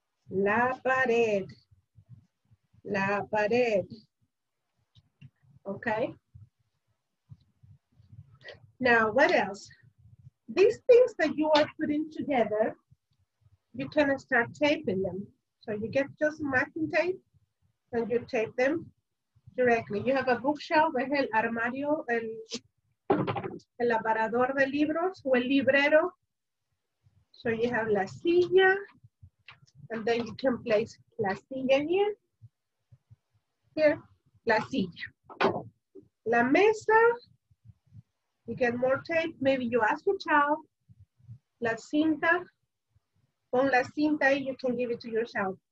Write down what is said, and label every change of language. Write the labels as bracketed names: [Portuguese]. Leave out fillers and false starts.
[Spanish] La pared. La pared. Okay. [English] Now, what else? These things that you are putting together, you can start taping them. So you get just masking tape and you tape them directly. You have a bookshelf, [Spanish] es el armario, el aparador de libros o el librero. [English] So you have la silla. And then you can place la silla here. Here, la silla. La mesa, you get more tape. Maybe you ask your child. [Spanish] La cinta, pon la cinta, [English] and you can give it to yourself.